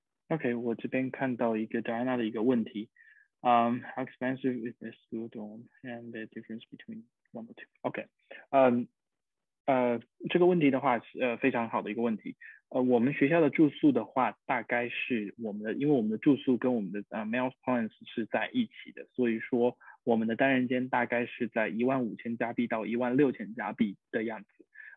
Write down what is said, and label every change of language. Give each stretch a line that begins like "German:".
Chinese: Okay, 我这边看到一个 Diana 的一个问题。
English: How expensive is the school dorm and the difference between one or two?
Chinese: Okay, 这个问题的话非常好的一个问题。我们学校的住宿的话，大概是我们的，因为我们的住宿跟我们的 meals points 是在一起的，所以说我们的单人间大概是在15000加币到16000加币的样子。